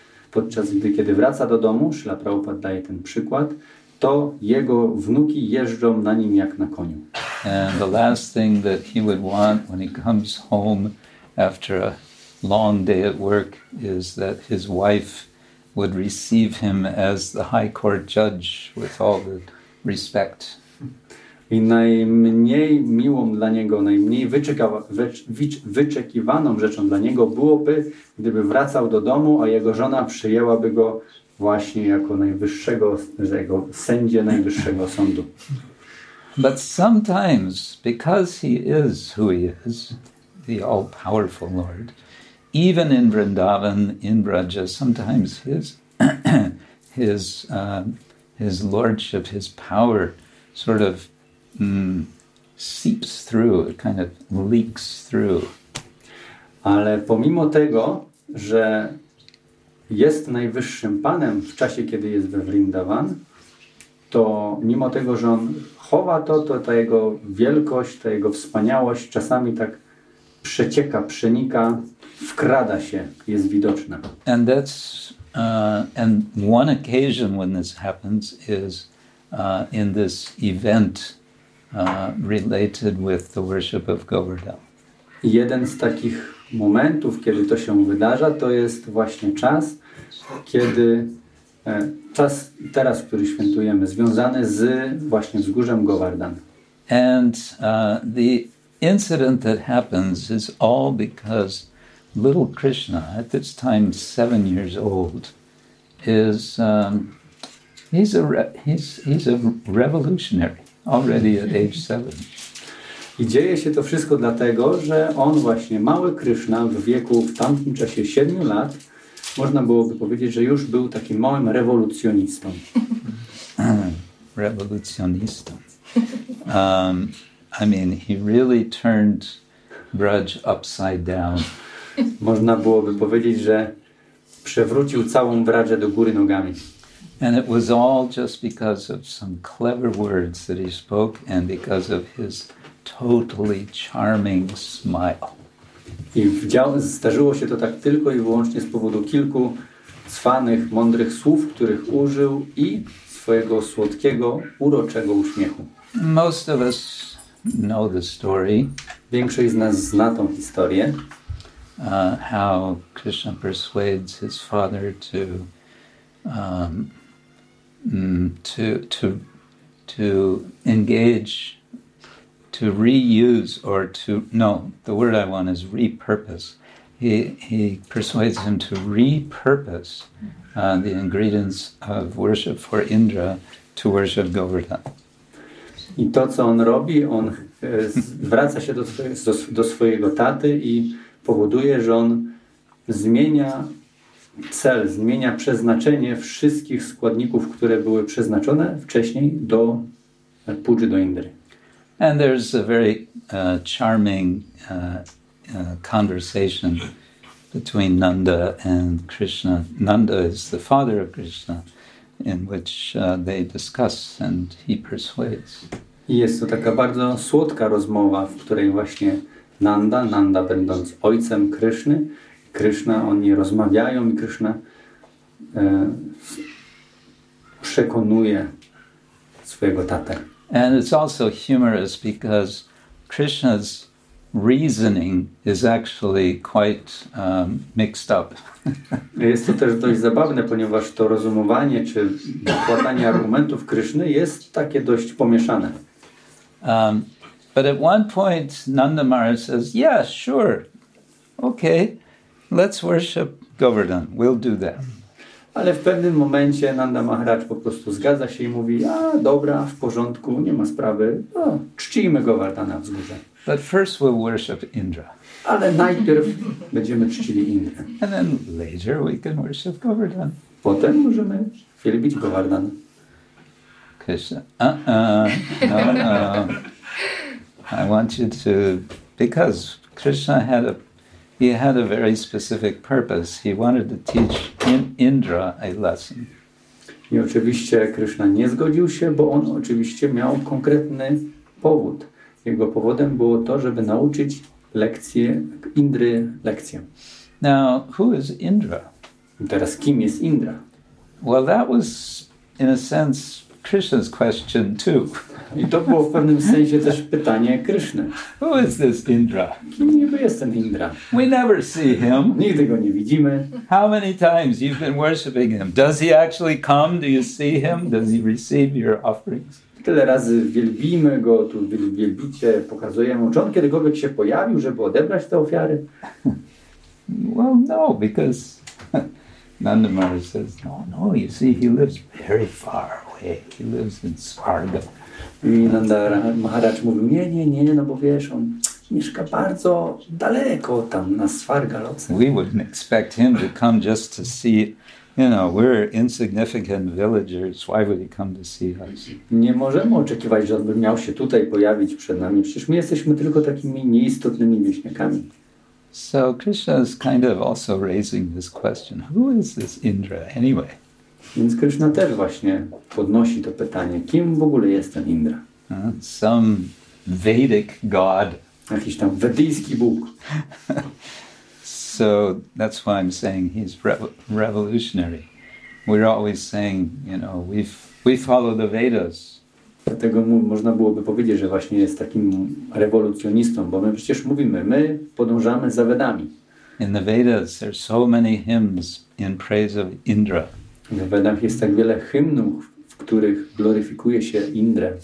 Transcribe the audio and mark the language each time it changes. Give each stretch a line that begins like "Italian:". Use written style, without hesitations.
Polish: Podczas gdy wraca do domu, Śrila Prabhupada daje ten przykład, to jego wnuki jeżdżą na nim jak na koniu.
English: And the last thing that he would want when he comes home after a long day at work is that his wife would receive him as the high court judge with all the respect.
Polish: I najmniej miłą dla niego, najmniej wyczekiwaną rzeczą dla niego byłoby, gdyby wracał do domu, a jego żona przyjęłaby go właśnie jako najwyższego, jego sędzie najwyższego sądu.
English: But sometimes, because he is who he is, the all-powerful Lord, even in Vrindavan, in Braja, sometimes his lordship, his power, sort of seeps through, it kind of leaks through.
Polish: Ale pomimo tego, że jest najwyższym panem w czasie, kiedy jest we Vrindavan, to mimo tego, że on chowa to, to ta jego wielkość, ta jego wspaniałość czasami tak przecieka, przenika, wkrada się, jest widoczna.
English: And that's and one occasion when this happens is in this event related with the worship of Govardhan.
Polish: Jeden z takich momentów, kiedy to się wydarza, to jest właśnie czas, kiedy czas teraz, który świętujemy, związany z właśnie wzgórzem Govardhan.
English: And the incident that happens is all because little Krishna, at this time 7 years old, is he's a revolutionary. Already at age 7.
Polish: I dzieje się to wszystko dlatego, że on właśnie, mały Krishna w wieku, w tamtym czasie 7 lat, można byłoby powiedzieć, że już był takim małym rewolucjonistą. Rewolucjonistą.
English: I mean, he really turned Braj upside down.
Polish: Można byłoby powiedzieć, że przewrócił całą Braję do góry nogami.
English: And it was all just because of some clever words that he spoke and because of his totally charming smile.
Polish: I zdarzyło się to tak tylko i wyłącznie z powodu kilku cwanych, mądrych słów, których użył i swojego słodkiego, uroczego uśmiechu.
English: Most of us know the story.
Polish: Większość z nas zna tą historię.
English: How Krishna persuades his father to repurpose. He persuades him to repurpose the ingredients of worship for Indra to worship Govardhan.
Polish: I to, co on robi, on zwraca się do swojego taty i powoduje, że on zmienia cel, zmienia przeznaczenie wszystkich składników, które były przeznaczone wcześniej do puji, do Indry.
English: And there's a very charming conversation between Nanda and Krishna. Nanda is the father of Krishna, in which they discuss and he persuades.
Polish: I jest to taka bardzo słodka rozmowa, w której właśnie Nanda będąc ojcem Kryszny, Krishna, oni rozmawiają i Krishna przekonuje swojego tatę.
English: And it's also humorous because Krishna's reasoning is actually quite mixed up.
Polish: Jest to też dość zabawne, ponieważ to rozumowanie czy dokładanie argumentów Krishny jest takie dość pomieszane.
English: But at one point Nanda Maharaj says, yeah, sure, okay. Let's worship Govardhan. We'll do that.
Polish: Ale w pewnym momencie Nanda Maharaj po prostu zgadza się i mówi: "A, dobra, w porządku, nie ma sprawy. No, czcijmy Govardhana w górze."
English: But first we'll worship Indra.
Polish: Ale najpierw będziemy czcili Indrę.
English: And then later we can worship Govardhan.
Polish: Potem możemy wielbić Govardhan.
English: Krishna, I want you to, because Krishna had a very specific purpose. He wanted to teach Indra a lesson.
Polish: I oczywiście Krishna nie zgodził się, bo on oczywiście miał konkretny powód. Jego powodem było to, żeby nauczyć lekcję Indry lekcję.
English: Now, who is Indra?
Polish: I teraz kim jest Indra?
English: Well, that was in a sense Krishna's question too.
Polish: I to było w pewnym sensie też pytanie Kryszny.
English: Who is this Indra?
Polish: Kim niby jest ten Indra?
English: We never see him.
Polish: Nigdy go nie widzimy.
English: How many times you've been worshiping him? Does he actually come? Do you see him? Does he receive your offerings?
Polish: Tyle razy wielbimy go, tu wielbicie, pokazujemy. Czy on kiedykolwiek się pojawił, żeby odebrać te ofiary?
English: Well, no, because Nandamara says, no, you see, he lives very far away. He lives in Swarga.
Polish: I Nandara Maharaj mówił, nie, no bo wiesz, on mieszka bardzo daleko tam na Swargaloce.
English: We wouldn't expect him to come just to see, you know, we're insignificant villagers, why would he come to see us?
Polish: Nie możemy oczekiwać, że on by miał się tutaj pojawić przed nami, przecież my jesteśmy tylko takimi nieistotnymi wieśniakami.
English: So Krishna is kind of also raising this question, who is this Indra anyway?
Polish: Więc Krishna też właśnie podnosi to pytanie, kim w ogóle jest ten Indra?
English: Some Vedic god.
Polish: Jakiś tam wedyjski Bóg.
English: So that's why I'm saying he's revolutionary. We're always saying, you know, we follow the Vedas.
Polish: Dlatego można byłoby powiedzieć, że właśnie jest takim rewolucjonistą, bo my przecież mówimy, my podążamy za Vedami.
English: In the Vedas there's so many hymns in praise of Indra.
Polish: W Wedach jest tak wiele hymnów, w których gloryfikuje się Indrę.